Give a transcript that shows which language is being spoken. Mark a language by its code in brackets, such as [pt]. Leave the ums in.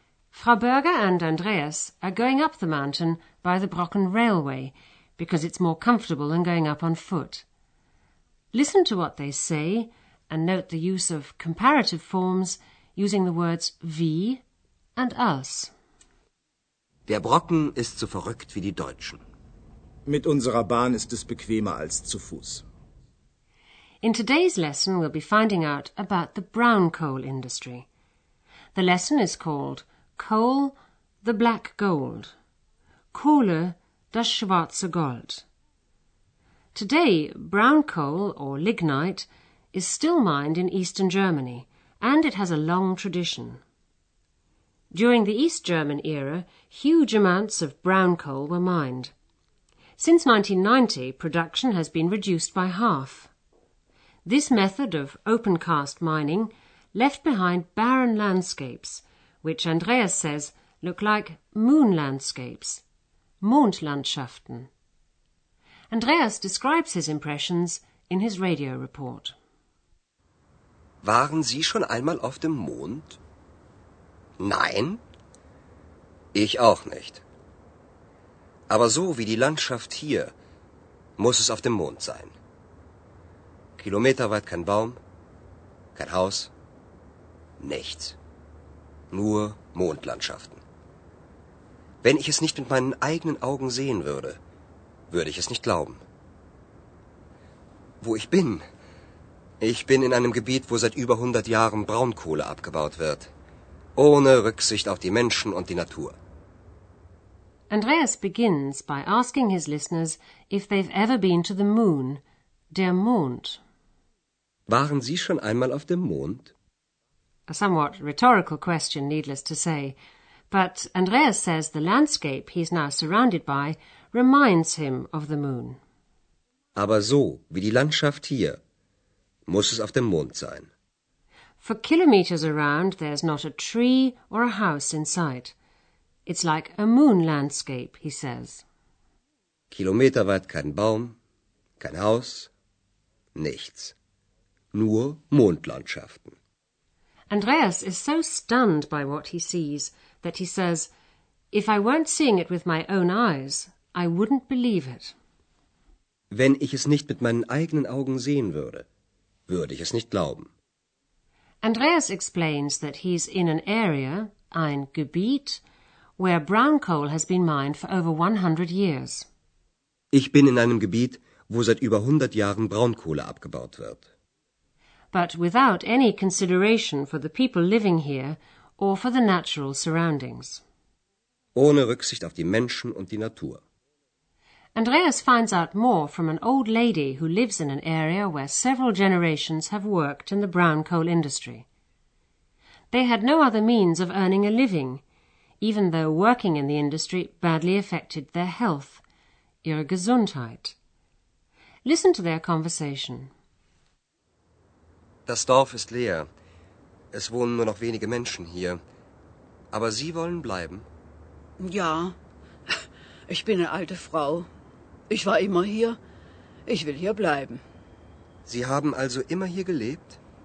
[en] Frau Berger and Andreas are going up the mountain by the Brocken railway because it's more comfortable than going up on foot. Listen to what they say and note the use of comparative forms using the words wie and us. [de] Der Brocken ist so verrückt wie die Deutschen. Mit unserer Bahn ist es bequemer als zu Fuß. [en] In today's lesson we'll be finding out about the brown coal industry. The lesson is called Coal, the Black Gold. [de] Kohle, das schwarze Gold. [en] Today, brown coal or lignite is still mined in eastern Germany and it has a long tradition. During the East German era, huge amounts of brown coal were mined. Since 1990, production has been reduced by half. This method of open cast mining left behind barren landscapes, which Andreas says look like moon landscapes, Mondlandschaften. Andreas describes his impressions in his radio report. [de] Waren Sie schon einmal auf dem Mond? Nein? Ich auch nicht. Aber so wie die Landschaft hier, muss es auf dem Mond sein. Kilometerweit kein Baum, kein Haus, nichts. Nur Mondlandschaften. Wenn ich es nicht mit meinen eigenen Augen sehen würde, würde ich es nicht glauben. Wo ich bin, ich bin in einem Gebiet, wo seit über 100 Jahren Braunkohle abgebaut wird, ohne Rücksicht auf die Menschen und die Natur. [en] Andreas begins by asking his listeners if they've ever been to the moon, [de] der Mond. Waren Sie schon einmal auf dem Mond? [en] A somewhat rhetorical question, needless to say. But Andreas says the landscape he's now surrounded by reminds him of the moon. [de] Aber so wie die Landschaft hier, muss es auf dem Mond sein. [en] For kilometers around, there's not a tree or a house in sight. It's like a moon landscape, he says. [de] Kilometer weit kein Baum, kein Haus, nichts. Nur Mondlandschaften. [en] Andreas is so stunned by what he sees that he says, If I weren't seeing it with my own eyes, I wouldn't believe it. [de] Wenn ich es nicht mit meinen eigenen Augen sehen würde, würde ich es nicht glauben. [en] Andreas explains that he's in an area, [de] ein Gebiet, [en] where brown coal has been mined for over 100 years. [de] Ich bin in einem Gebiet, wo seit über 100 Jahren Braunkohle abgebaut wird. [en] But without any consideration for the people living here or for the natural surroundings. [de] Ohne Rücksicht auf die Menschen und die Natur. [en] Andreas finds out more from an old lady who lives in an area where several generations have worked in the brown coal industry. They had no other means of earning a living. even though working in the industry badly affected their health, [de] ihre Gesundheit. [en] Listen to their conversation. [de] Das Dorf ist leer. Es wohnen nur noch wenige Menschen hier. Aber Sie wollen bleiben? Ja. Ich bin eine alte Frau. Ich war immer hier. Ich will hier bleiben. Sie haben also immer hier gelebt?